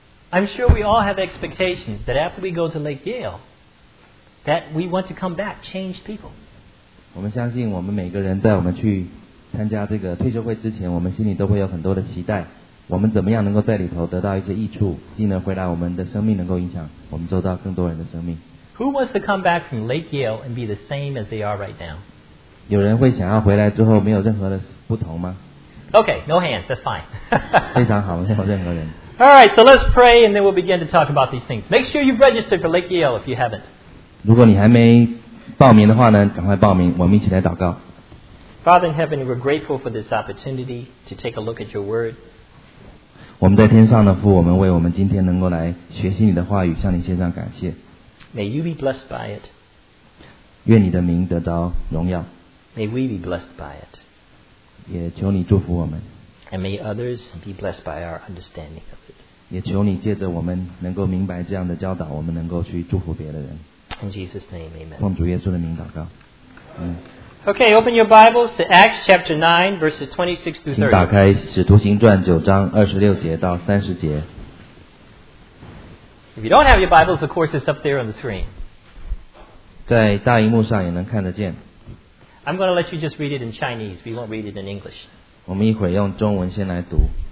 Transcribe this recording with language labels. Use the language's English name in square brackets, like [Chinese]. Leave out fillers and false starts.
[English] I'm sure we all have expectations that after we go to Lake Yale, that we want to come back changed people. [Chinese] 我们相信我们每个人在我们去 参加这个退休会之前，我们心里都会有很多的期待。我们怎么样能够在里头得到一些益处，进而回来我们的生命能够影响我们周遭更多人的生命。 [English] Who wants to come back from Lake Yale and be the same as they are right now? [Chinese] 有人会想要回来之后没有任何的不同吗？ [English] Okay, no hands, that's fine. [Chinese] 非常好，没有任何人。 [English] Alright, so let's pray and then we'll begin to talk about these things. Make sure you've registered for Lake Yale if you haven't. [Chinese] 如果你还没报名的话呢，赶快报名，我们一起来祷告。 [English] Father in heaven, we're grateful for this opportunity to take a look at your word. [Chinese] 我们在天上的父，我们为我们今天能够来学习你的话语，向你献上感谢。 [English] May you be blessed by it. [Chinese] 愿你的名得到荣耀。 [English] May we be blessed by it. [Chinese] 也求你祝福我们。 [English] And may others be blessed by our understanding of it. [Chinese] 也求你借着我们能够明白这样的教导，我们能够去祝福别的人。 [English] In Jesus' name, amen. [Chinese] 奉主耶稣的名祷告。 [English] Okay, open your Bibles to Acts chapter 9, verses 26 through 30. [Chinese] 请打开《使徒行传》九章二十六节到三十节。 [English] If you don't have your Bibles, of course, it's up there on the screen. [Chinese] 在大荧幕上也能看得见。 [English] I'm going to let you just read it in Chinese. We won't read it in English. [Chinese] 我们一会用中文先来读。